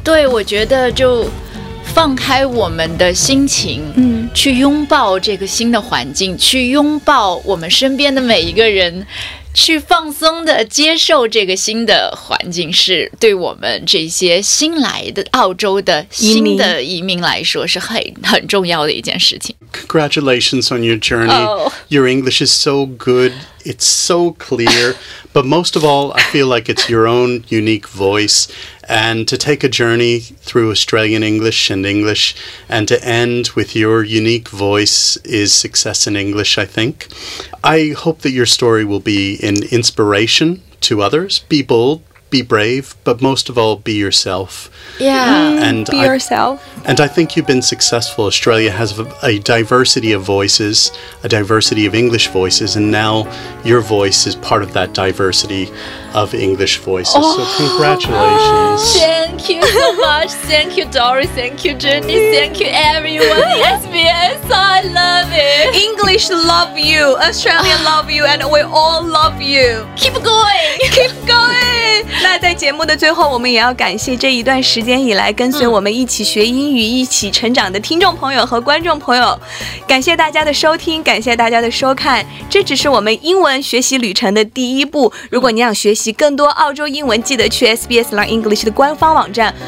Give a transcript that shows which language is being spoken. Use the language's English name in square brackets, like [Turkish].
[Chinese] 对，我觉得就放开我们的心情，去拥抱这个新的环境，去拥抱我们身边的每一个人。去放松的接受这个新的环境，是对我们这些新来的澳洲的新的移民来说是很重要的一件事情。 [English] Congratulations on your journey. Your English is so good. It's so clear. But most of all, I feel like it's your own unique voice. And to take a journey through Australian English and English and to end with your unique voice is success in English, I think. I hope that your story will be an inspiration to others. Be bold, be brave, but most of all, be yourself. Yeah, and be yourself. And I think you've been successful. Australia has a diversity of voices, a diversity of English voices, and now your voice is part of that diversity of English voices. Oh, so congratulations. Oh, thank you so much. Thank you, Doris. Thank you, Jenny. Thank you, everyone. SBS, I love it. English love you. Australia love you, and we all love you. Keep going. Keep going. [Chinese] 那在节目的最后，我们也要感谢这一段时间以来跟随我们一起学英语、一起成长的听众朋友和观众朋友，感谢大家的收听，感谢大家的收看。这只是我们英文学习旅程的第一步。如果你想学习更多澳洲英文，记得去 SBS Learn English 的官方网站。